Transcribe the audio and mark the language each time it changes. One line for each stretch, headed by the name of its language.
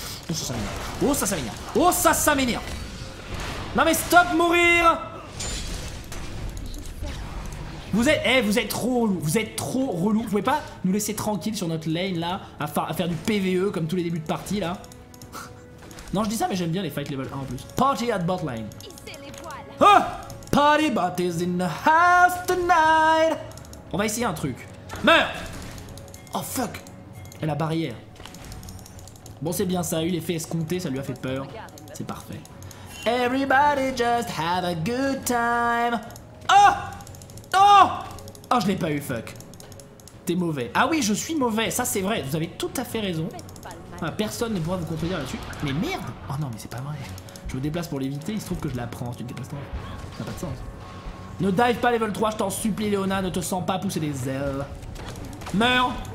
French: Oh, ça m'énerve! Oh, ça m'énerve! Oh, ça m'énerve! Non, mais stop mourir! Vous êtes. Eh, vous êtes trop relou! Vous êtes trop relou! Vous pouvez pas nous laisser tranquille sur notre lane là, à faire du PVE comme tous les débuts de partie là? Non, je dis ça, mais j'aime bien les fight level 1 en plus.
English: Party at bot lane. Oh! Party bot is in the house tonight!
French: On va essayer un truc. Meurs! Oh fuck! Elle a barrière. Bon, c'est bien ça, a eu l'effet escompté, ça lui a fait peur. C'est parfait.
English: Everybody just have a good time!
French: Oh! Oh! Oh, je l'ai pas eu, fuck. T'es mauvais. Ah oui, je suis mauvais, ça c'est vrai, vous avez tout à fait raison. Personne ne pourra vous contredire là-dessus. Mais merde! Oh non, mais c'est pas vrai. Je me déplace pour l'éviter. Il se trouve que je la prends. Si tu te déplaces, ça n'a pas de sens. Ne dive pas level 3, je t'en supplie, Léona. Ne te sens pas pousser des ailes. Meurs!